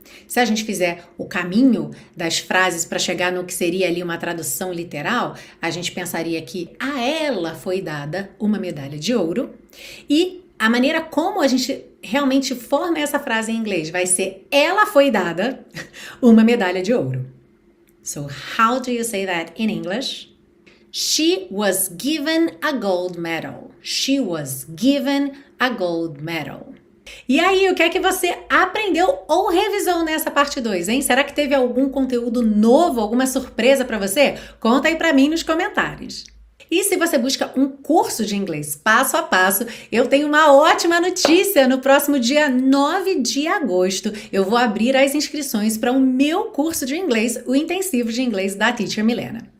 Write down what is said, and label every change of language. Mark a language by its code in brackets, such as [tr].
[pt] Se a gente fizer o caminho das frases para chegar no que seria ali uma tradução literal, a gente pensaria que a ela foi dada uma medalha de ouro. E a maneira como a gente realmente forma essa frase em inglês vai ser: ela foi dada uma medalha de ouro. [en] So, how do you say that in English? She was given a gold medal. She was given a gold medal. [pt] E aí, o que é que você aprendeu ou revisou nessa parte 2, hein? Será que teve algum conteúdo novo, alguma surpresa para você? Conta aí para mim nos comentários. E se você busca um curso de inglês passo a passo, eu tenho uma ótima notícia. No próximo dia 9 de agosto, eu vou abrir as inscrições para o meu curso de inglês, o Intensivo de Inglês da Teacher Milena.